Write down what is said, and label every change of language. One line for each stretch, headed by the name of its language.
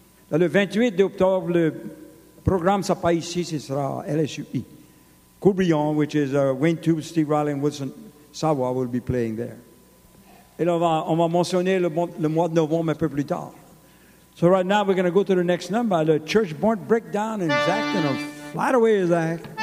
French: Là, le 28 d'octobre, le programme, ça pas ici, ce sera LSUI.
English: Courbillon, which is Wayne Tube, Steve Riley, and Wilson Sawa will be playing there.
French: Et là, on va mentionner le mois de novembre un peu plus tard.
English: So right now, we're going to go to the next number, the Church Born Breakdown, and Zach going to fly away, Zach.